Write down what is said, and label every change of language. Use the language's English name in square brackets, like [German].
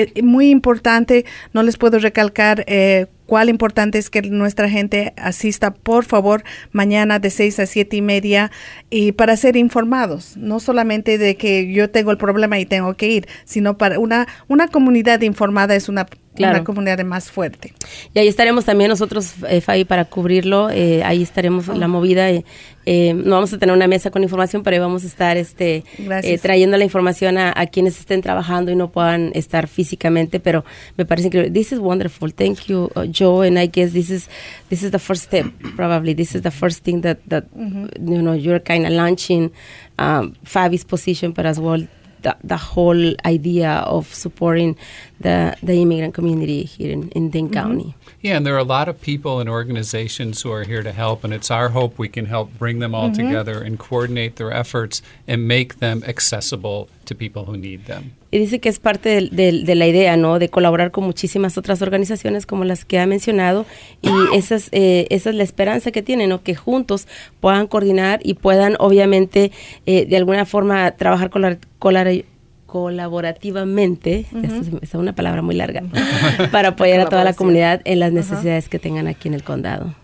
[Spanish] Muy importante, no les puedo recalcar cuál importante es que nuestra gente asista, por favor, mañana de 6 a 7:30, y para ser informados, no solamente de que yo tengo el problema y tengo que ir, sino para una comunidad informada es una, claro, una comunidad más fuerte. Y ahí estaremos también nosotros, Fabi, para cubrirlo, ahí estaremos la movida. No vamos a tener una mesa con información, pero ahí vamos a estar trayendo la información a quienes estén trabajando y no puedan estar físicamente, pero me parece increíble. [English] This is wonderful. Thank you, Joe, and I guess this is the first step, probably. This is the first thing that mm-hmm, you know, you're kind of launching Fabi's position, but as well, the whole idea of supporting the immigrant community here in Dane, mm-hmm, County. Yeah, and there are a lot of people and organizations who are here to help, and it's our hope we can help bring them all, mm-hmm, together and coordinate their efforts and make them accessible to people who need them. [Spanish] Y dice que es parte de la idea, ¿no?, de colaborar con muchísimas otras organizaciones como las que ha mencionado, y esa es la esperanza que tienen, ¿no?, que juntos puedan coordinar y puedan, obviamente, de alguna forma trabajar con colaborativamente, uh-huh, esta es una palabra muy larga, para apoyar a toda la comunidad en las necesidades, uh-huh, que tengan aquí en el condado.